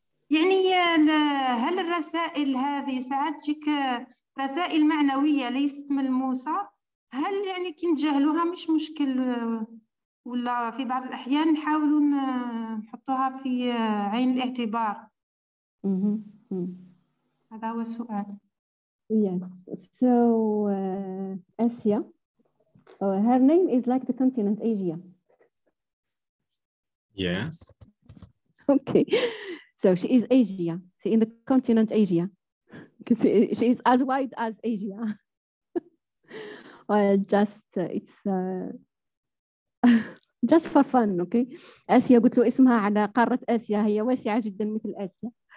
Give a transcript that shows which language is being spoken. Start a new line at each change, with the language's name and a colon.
Arabic: يعني هل الرسائل هذه ساعات تجيك رسائل معنوية ليست ملموسة؟ هل يعني كي نتجاهلوها مش مشكل، ولا في بعض الأحيان نحاولوا نحطوها في عين الاعتبار؟ هذا هو السؤال.
English: Yes, so Asia, her name is like the continent Asia. Yes. Okay, so she is Asia, see, in the continent Asia, because she is as wide as Asia. Well, just it's just for fun, okay?
Arabic: Asia, قلت له اسمها على قارة آسيا، هي واسعة جدا مثل آسيا.